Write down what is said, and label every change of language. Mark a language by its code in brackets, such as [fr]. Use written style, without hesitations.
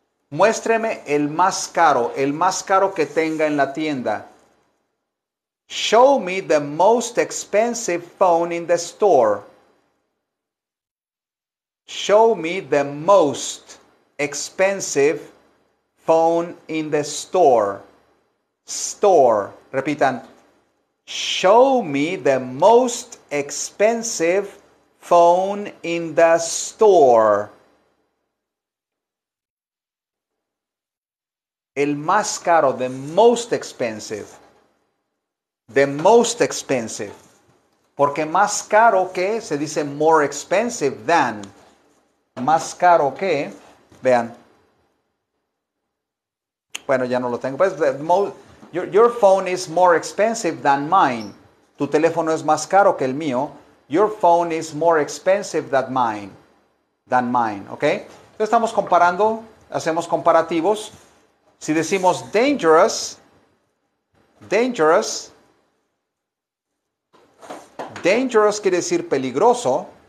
[es] Muéstreme el más caro que tenga en la tienda. [en] Show me the most expensive phone in the store. Show me the most expensive phone in the store. Store. Repitan. Show me the most expensive phone in the store. [es] El más caro, [en] the most expensive. The most expensive. [es] Porque más caro que, se dice [en] more expensive than. [es] Más caro que, vean. Bueno, ya no lo tengo. [en] Pues, your phone is more expensive than mine. [es] Tu teléfono es más caro que el mío. [en] Your phone is more expensive than mine. Than mine, ¿ok? [es] Entonces estamos comparando, hacemos comparativos. Si decimos dangerous, dangerous, dangerous quiere decir peligroso.